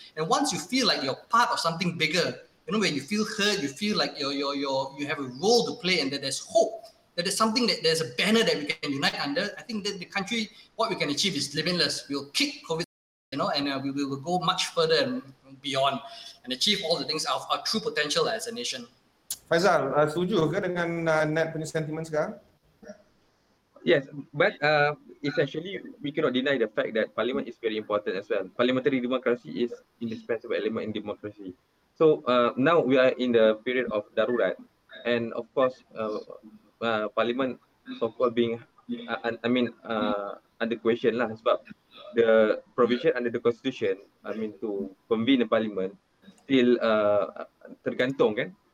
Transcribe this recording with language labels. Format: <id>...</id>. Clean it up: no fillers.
<en>And once you feel like you're part of something bigger, you know, when you feel heard, you feel like you have a role to play and that there's hope. That is something that there's a banner that we can unite under. I think that the country, what we can achieve is limitless. We'll kick COVID, you know, and we will go much further and beyond and achieve all the things of our true potential as a nation.</en> <ms>Faizal, setuju ke dengan net punya sentiment sekarang?</ms> <en>Yes, but essentially we cannot deny the fact that parliament is very important as well. Parliamentary democracy is indispensable element in democracy. So now we are in the period of darurat, and of course parliament so-called being under question</en> <ms>lah, sebab</ms> <en>the provision under the constitution, I mean, to convene the parliament still</en> <ms>tergantung kan.</ms>